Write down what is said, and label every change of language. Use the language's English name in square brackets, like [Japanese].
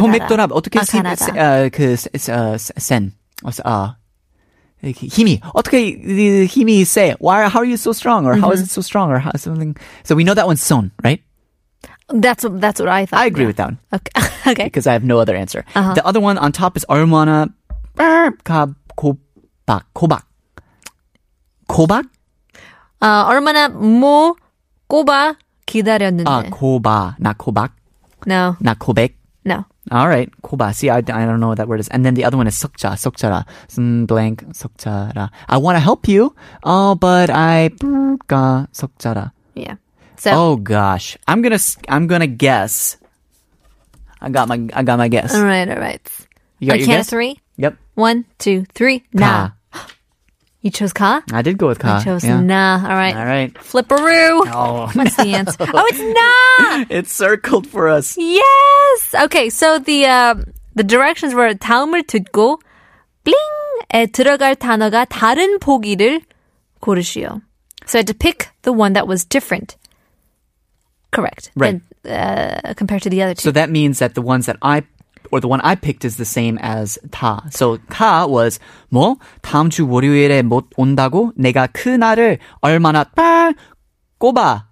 [English] So, [Korean] 맵더라. 어떻게 힘이 세? [English] Why are you so strong? Or how is it so strong? Or how something. So, we know that one's son, right? That's what I thought. I agree with that one. Okay. Because I have no other answer. Uh-huh. The other one on top is 얼마나. [Korean] 가 고박 고박 고박 얼마나 뭐 꼬바 기다렸는데. [English] 꼬바, not 꼬박. No. Not 고백. No. All right. 꼬바. See, I don't know what that word is. And then the other one is 석자, 석자라. Some blank 석자라. I want to help you, but I [Korean] 뭔가 석자라. [English] Yeah. So, oh gosh, I'm gonna guess. I got my guess. All right, all right. You got a count guess? Of three. Yep. One, two, three. Ka. Nah. You chose ka. I did go with ka. I chose yeah. nah. All right. All right. Flipperoo. Oh, what's no. the answer? Oh, it's nah. It circled for us. Yes. Okay. So the directions were [Korean] 다음을 듣고 [English] bling에 [Korean] 들어갈 단어가 다른 보기를 고르시오. [English] So I had to pick the one that was different. Correct. Right. Compared to the other two. So that means that the one I picked is the same as 다. So [Korean] 다 was 뭐 다음 주 월요일에 못 온다고 내가 그날을 얼마나 꼬바.